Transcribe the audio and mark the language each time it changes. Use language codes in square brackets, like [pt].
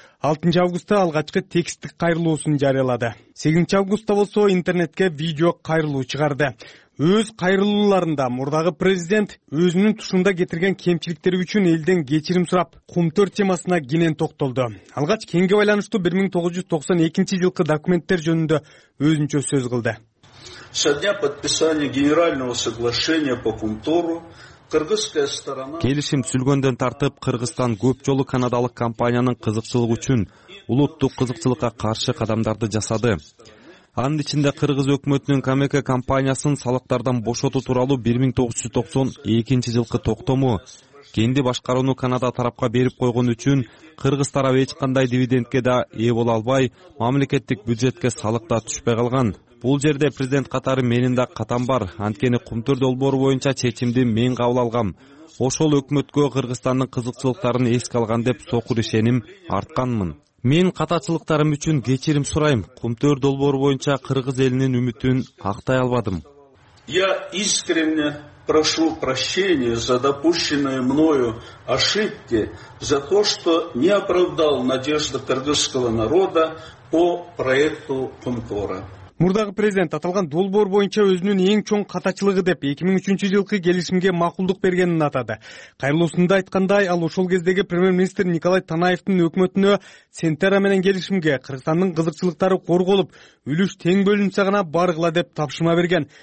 [ky] 6 августта алгачкы тексттик кайрылуусун жарыялады. 8 августта болсо интернетке видео кайрылуу чыгарды. Өз кайрылууларында мурдагы президент өзүнүн тушунда кетирген кемчиликтери үчүн элден кечирим сурап, кумтөр темасына кенен токтолду. Алгач кенге байланыштуу 1992-жылкы документтер жөнүндө өзүнчө сөз кылды. [ru] Со дня подписания генерального соглашения по кумтору [ky] келишим түзүлгөндөн тартып Кыргызстан көп жолу канадалык компаниянын кызыкчылык үчүн улуттук кызыкчылыкка каршы кадамдарды жасады. Анын ичинде кыргыз өкмөтүнүн Камека компаниясын салыктардан бошотуу тууралуу 1992-жылкы токтому, кенди башкарууну Канада тарапка берип койгон үчүн кыргыз тарап эч кандай дивидендке да ээ боло албай, мамлекеттик бюджетке салык да түшпөй калган. Бул жерде президент катары менин да катам бар, анткени кумтөр долбоору боюнча чечимди мен кабыл алгам. Ошол өкмөткө Кыргызстандын кызыкчылыктарын эске алган деп сокур ишеним артканмын. Мен катачылыктарым үчүн кечирим сурайм. Кумтөр долбоору боюнча кыргыз элинин үмүтүн актай албадым. [ru] Я искренне прошу прощения за допущенные мною ошибки, за то, что не оправдал надежды кыргызского народа по проекту кумтора. [ky] Мурдагы президент аталган долбоор боюнча өзүнүн эң чоң катачылыгы деп 2003-жылкы келишимге макулдук бергенин атады. Кайрылуусунда айткандай, ал ошол кездеги премьер-министр Николай Танаевдин өкмөтүнө Сентера менен келишимге Кыргызстандын кызыкчылыктары корголуп, үлүш тең бөлүнсө гана баргыла деп тапшырма берген.